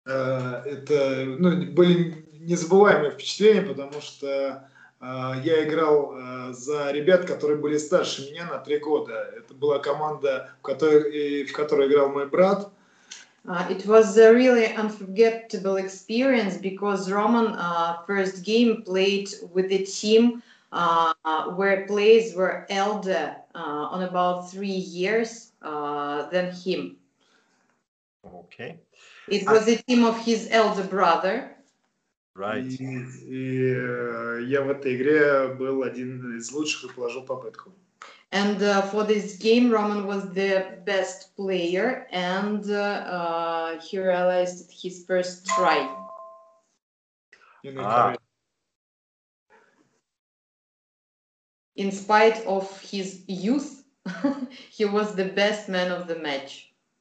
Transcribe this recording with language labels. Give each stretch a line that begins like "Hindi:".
Russian: Незабываемое впечатление, потому что я играл за ребят, которые были старше меня на 3 года. Это была команда, в которой играл мой брат.
English: It was a really unforgettable experience because Roman first game played with a team where players were elder on about 3 years than him. Okay. It was a team of his elder brother. Right.
Russian: И я в этой игре был один из лучших и положил попытку.
English: And for this game, Roman was the best player, and he realized his first try. In spite of his youth, he was the best man of the match.